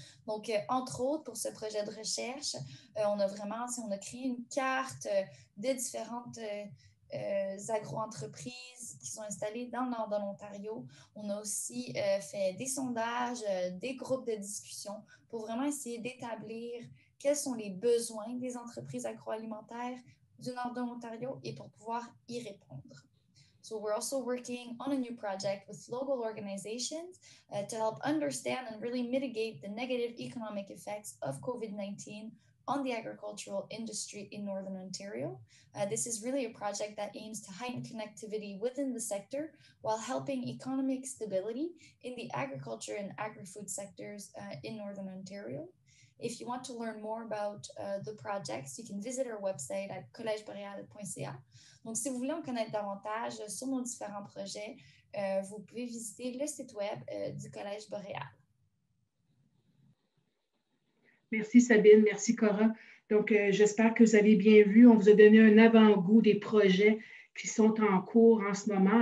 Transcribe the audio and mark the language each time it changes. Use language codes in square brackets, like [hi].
[fr] Donc, entre autres, pour ce projet de recherche, on a créé une carte de différentes agro-entreprises qui sont installées dans le nord de l'Ontario. On a aussi fait des sondages, des groupes de discussion pour vraiment essayer d'établir quels sont les besoins des entreprises agroalimentaires du nord de l'Ontario et pour pouvoir y répondre. [en] So we're also working on a new project with local organizations to help understand and really mitigate the negative economic effects of COVID-19 on the agricultural industry in Northern Ontario. This is really a project that aims to heighten connectivity within the sector while helping economic stability in the agriculture and agri-food sectors in Northern Ontario. If you want to learn more about the projects, you can visit our website at collegeboreal.ca. [fr] Donc, si vous voulez en connaître davantage sur nos différents projets, vous pouvez visiter le site web du Collège Boréal. Merci Sabine, merci Cora. Donc, j'espère que vous avez bien vu. On vous a donné un avant-goût des projets qui sont en cours en ce moment.